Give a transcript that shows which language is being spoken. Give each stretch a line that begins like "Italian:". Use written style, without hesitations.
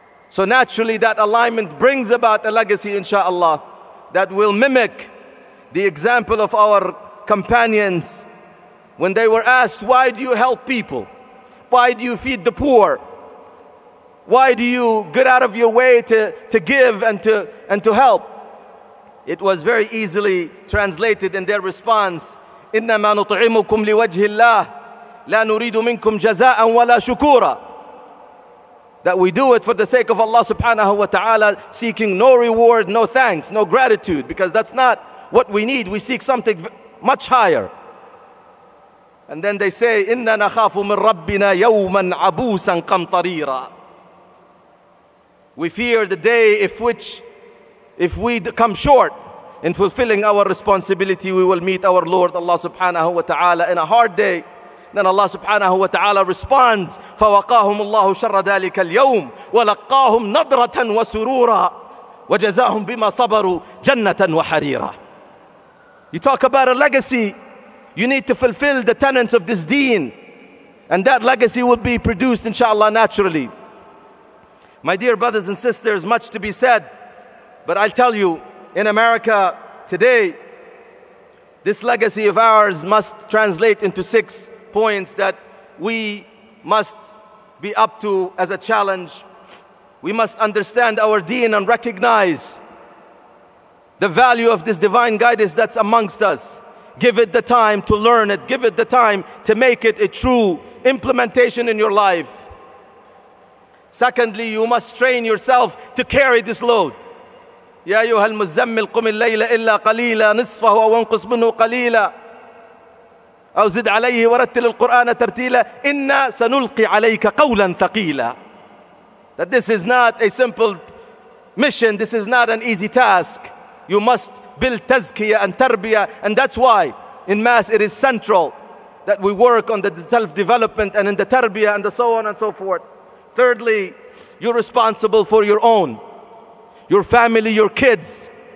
English: So naturally that alignment brings about a legacy, inshaAllah, that will mimic the example of our companions when they were asked, why do you help people? Why do you feed the poor? Why do you get out of your way to give and to help? It was very easily translated in their response,
Arabic: إِنَّمَا نُطْعِمُكُمْ لِوَجْهِ اللَّهِ لَا نُرِيدُ مِنْكُمْ جَزَاءً وَلَا شُكُورًا.
English: That we do it for the sake of Allah
Arabic: subhanahu wa ta'ala,
English: seeking no reward, no thanks, no gratitude, because that's not what we need. We seek something much higher. And then they say,
Arabic: إِنَّا نَخَافُ مِنْ رَبِّنَا يَوْمًا عَبُوسًا قَمْطَرِيرًا.
English: We fear the day if we come short in fulfilling our responsibility, we will meet our Lord Allah
Arabic: subhanahu wa ta'ala
English: in a hard day. Then Allah subhanahu wa ta'ala responds,
Arabic: فَوَقَاهُمُ اللَّهُ شَرَّ ذَلِكَ الْيَوْمِ وَلَقَّاهُمْ نَضْرَةً وَسُرُورًا وَجَزَاهُمْ بِمَا صَبَرُوا جَنَّةً وَحَرِيرًا.
English: You talk about a legacy. You need to fulfill the tenets of this deen. And that legacy will be produced, inshallah, naturally. My dear brothers and sisters, much to be said. But I'll tell you, in America today, this legacy of ours must translate into 6 points that we must be up to as a challenge. We must understand our deen and recognize the value of this divine guidance that's amongst us. Give it the time to learn it. Give it the time to make it a true implementation in your life. Secondly, you must train yourself to carry this load.
Arabic: يا أيها المزمل قم الليل إلا قليلا نصفه أو انقص منه قليلا أو زد عليه ورتل القرآن ترتيلا إنا سنلقي عليك قولا ثقيلا.
English: That this is not a simple mission. This is not an easy task. You must build tazkiya and tarbiya. And that's why in mass it is central that we work on the self-development and in the tarbiya and the so on and so forth. Thirdly, you're responsible for your own, your family, your kids.